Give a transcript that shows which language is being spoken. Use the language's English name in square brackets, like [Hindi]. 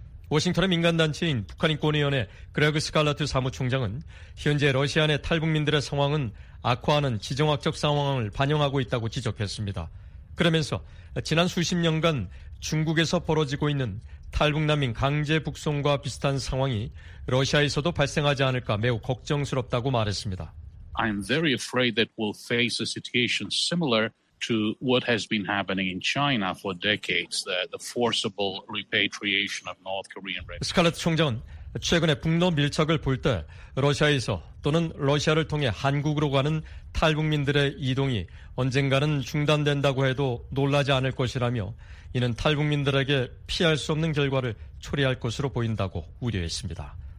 [Korean] 워싱턴의 민간단체인 북한인권위원회 그레그 스칼라트 사무총장은 현재 러시아 내 탈북민들의 상황은 악화하는 지정학적 상황을 반영하고 있다고 지적했습니다. 그러면서 지난 수십 년간 중국에서 벌어지고 있는 탈북난민 강제 북송과 비슷한 상황이 러시아에서도 발생하지 않을까 매우 걱정스럽다고 말했습니다. [English] I'm very afraid that we'll face a situation similar to what has been happening in China for decades, the forcible repatriation of North Korean refugees. [Korean] 스칼렛 총장은 최근에 북러 밀착을 볼 때 러시아에서 또는 러시아를 통해 한국으로 가는 탈북민들의 이동이 언젠가는 중단된다고 해도 놀라지 않을 것이라며 이는 탈북민들에게 피할 수 없는 결과를 초래할 것으로 보인다고 우려했습니다.